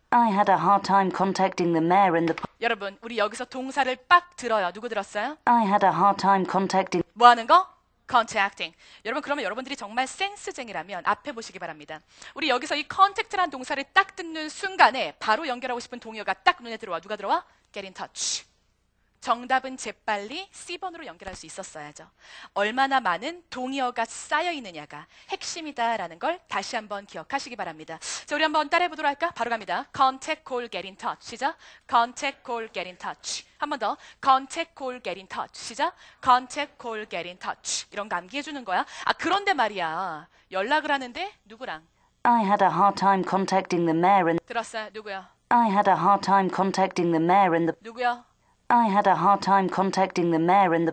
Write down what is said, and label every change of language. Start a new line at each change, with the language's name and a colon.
English: I had a hard time contacting the mayor and the...
Korean: 여러분, 우리 여기서 동사를 빡 들어요. 누구 들었어요?
English: I had a hard time contacting...
Korean: 뭐 하는 거? Contacting. 여러분, 그러면 여러분들이 정말 센스쟁이라면 앞에 보시기 바랍니다. 우리 여기서 이 contact라는 동사를 딱 듣는 순간에 바로 연결하고 싶은 동의어가 딱 눈에 들어와. 누가 들어와?
English: Get in touch.
Korean: 정답은 재빨리 C번으로 연결할 수 있었어야죠. 얼마나 많은 동의어가 쌓여있느냐가 핵심이다라는 걸 다시 한번 기억하시기 바랍니다. 자, 우리 한번 따라해보도록 할까? 바로 갑니다.
English: Contact, call, get in touch. 시작. Contact, call, get in touch. 한번 더. Contact, call, get in touch. 시작. Contact, call, get in touch.
Korean: 이런 거 암기해주는 거야. 아, 그런데 말이야. 연락을 하는데 누구랑?
English: I had a hard time contacting the mayor and...
Korean: 들었어요. 누구야?
English: I had a hard time contacting the mayor and the...
Korean: 누구야?
English: I had a hard time contacting the mayor and the...